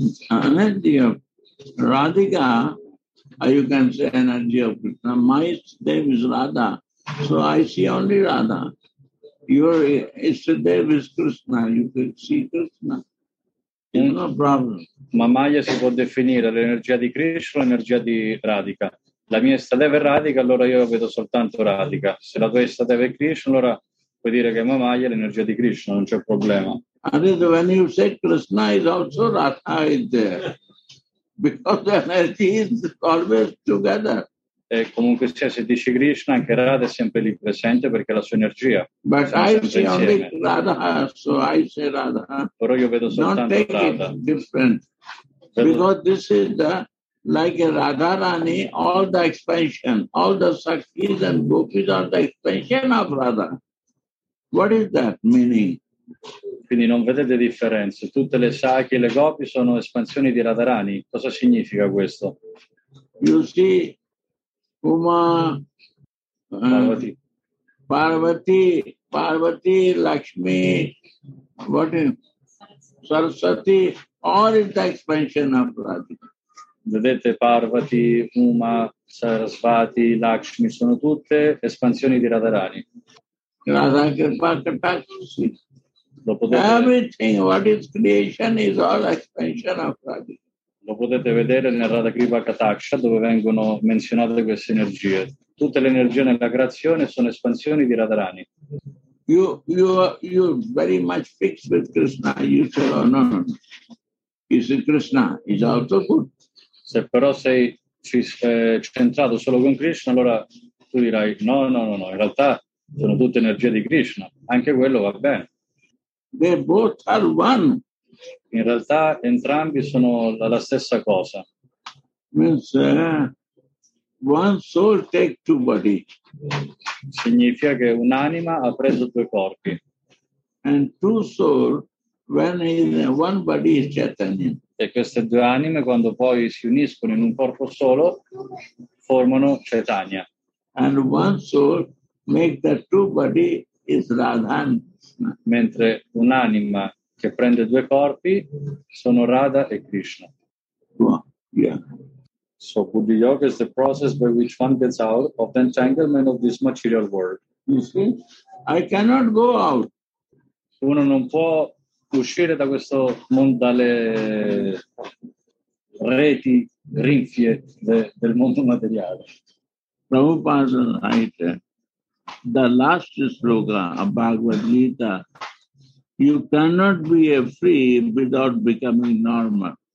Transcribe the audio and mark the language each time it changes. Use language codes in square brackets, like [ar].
[en] Energy of Radhika, you can say energy of Krishna. My name is Radha, so I see only Radha. Your Ishtadev is Krishna, you can see Krishna. No problem. [it] Mamaya si può definire l'energia di Krishna, l'energia di Radhika. La mia Ishtadev è Radhika, allora io vedo soltanto Radhika. Se la tua Ishtadev è Krishna, allora puoi dire che Mamaya è l'energia di Krishna, non c'è problema. [en] And when you say Krishna, is also Radha is there. Because the energy is always together. [it] E comunque sia, se dici Krishna, anche Radha è sempre lì presente perché la sua energia. [en] But I see only Radha, so I say Radha. [it] Però io vedo soltanto [en] Radha. Don't take it different. Because this is the, like a Radharani, all the expansion, all the sakis and gopis are the expansion of Radha. What is that meaning? [it] Quindi non vedete differenze. Tutte le sakhi e le gopi sono espansioni di Radharani. Cosa significa questo? [en] You see, Uma, Parvati, Lakshmi, what is Saraswati, all is the expansion of Radha. [it] Vedete Parvati, Uma, Saraswati, Lakshmi, sono tutte espansioni di Radharani. [sa] Radha Kripa Kataksi. [en] Everything what is creation is all expansion of Radha. [it] Lo potete vedere nel Radha Kripa Kataksha dove vengono menzionate queste energie. Tutte le energie nella creazione sono espansioni di Radharani. [en] You very much fixed with Krishna. You say, oh, no. You see Krishna is also good. [it] Se però sei centrato solo con Krishna, allora tu dirai no. In realtà sono tutte energie di Krishna. Anche quello va bene. [en] They both are one. [it] In realtà entrambi sono la stessa cosa. [en] Means one soul takes two bodies. [it] Significa che un'anima ha preso due corpi. [en] And two souls when in one body is Chaitanya. [it] E queste due anime quando poi si uniscono in un corpo solo formano Chaitanya. [en] And one soul makes the two bodies is Radha. [it] Mentre un'anima che prende due corpi sono Radha e Krishna. [en] Well, yeah. So Buddha Yoga is the process by which one gets out of the entanglement of this material world. You see, I cannot go out. [it] Uno non può uscire da questo mondo, dalle reti grinfie del mondo materiale. [en] Prabhupada, right. The last sloka of Bhagavad Gita, you cannot be a free without becoming normal.